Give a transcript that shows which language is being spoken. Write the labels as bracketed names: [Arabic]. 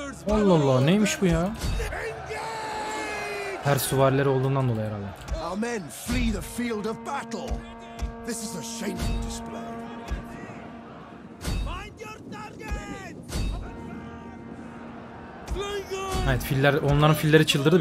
[Turkish] Allah Allah, neymiş bu ya? Her süvariler olduğundan dolayı herhalde. Amen. [English] Flee the field of battle. This is a shameful display. Find your target. [Turkish] Evet, filler, onların filleri çıldırdı.